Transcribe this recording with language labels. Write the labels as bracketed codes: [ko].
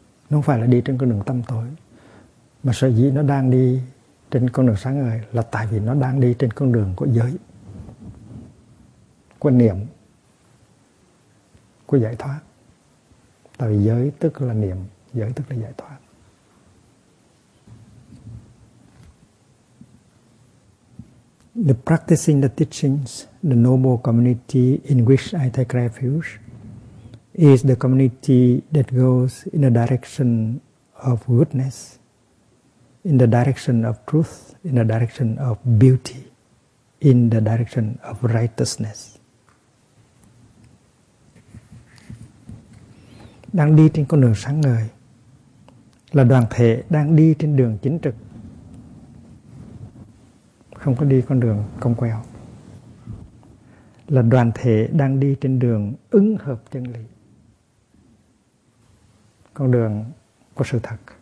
[vi] Nó không phải là đi trên con đường tâm tối. Mà sở dĩ nó đang đi trên con đường sáng ngời là tại vì nó đang đi trên con đường của giới, của niệm, của giải thoát. Tại vì giới tức là niệm, giới tức là giải thoát. [en] The practicing the teachings, the noble community in which I take refuge is the community that goes in the direction of goodness, in the direction of truth, in the direction of beauty, in the direction of righteousness. [vi] Đang đi trên con đường sáng ngời là đoàn thể đang đi trên đường chính trực, không có đi con đường cong queo, là đoàn thể đang đi trên đường ứng hợp chân lý, con đường của sự thật.